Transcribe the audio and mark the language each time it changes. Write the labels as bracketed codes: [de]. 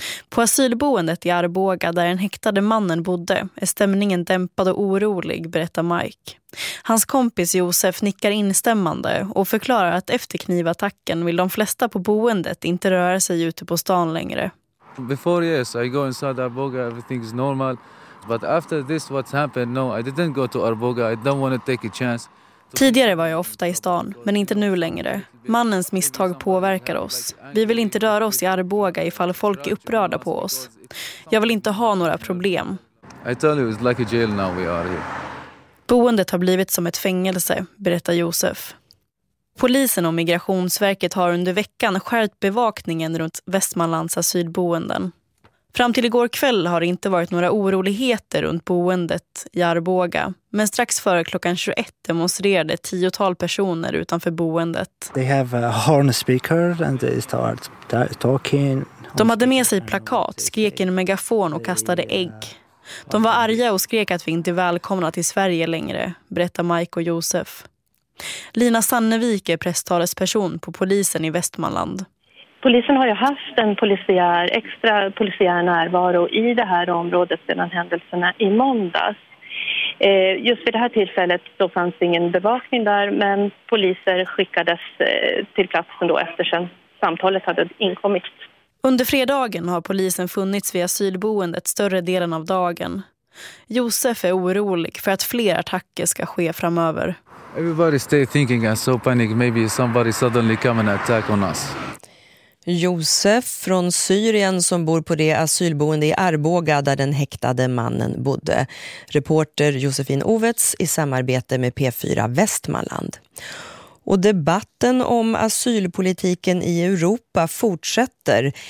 [sv] På asylboendet i Arboga, där den häktade mannen bodde, är stämningen dämpad och orolig, berättar Mike. Hans kompis Josef nickar instämmande och förklarar att efter knivattacken vill de flesta på boendet inte röra sig ute på stan längre. [en] Before yes, I go inside Arboga, everything is normal. But after this what's happened, no, I didn't go to Arboga. I don't want to take a chance. [sv] Tidigare var jag ofta i stan, men inte nu längre. Mannens misstag påverkar oss. Vi vill inte röra oss i Arboga ifall folk är upprörda på oss. Jag vill inte ha några problem. [en] I tell you, it's like a jail now we are here. [sv] Boendet har blivit som ett fängelse, berättar Josef. Polisen och Migrationsverket har under veckan skärpt bevakningen runt Västmanlands asylboenden. Fram till igår kväll har det inte varit några oroligheter runt boendet i Arboga. Men strax före klockan 21 demonstrerade 10-tal personer utanför boendet. [en] They have a horn speaker and they start talking. [sv] De hade med sig plakat, skrek i en megafon och kastade ägg. De var arga och skrek att vi inte är välkomna till Sverige längre, berättar Mike och Josef. Lina Sannevik är presstalesperson på polisen i Västmanland. Polisen har ju haft en extra polisiär närvaro i det här området sedan händelserna i måndags. Just vid det här tillfället så fanns ingen bevakning där, men poliser skickades till platsen då efter sen samtalet hade inkommit. Under fredagen har polisen funnits vid asylboendet större delen av dagen. Josef är orolig för att fler attacker ska ske framöver. [en] Everybody stay thinking and so panic, maybe somebody suddenly come and attack on us. [sv] Josef från Syrien som bor på det asylboende i Arboga där den häktade mannen bodde. Reporter Josefin Ovets i samarbete med P4 Västmanland. Och debatten om asylpolitiken i Europa fortsätter.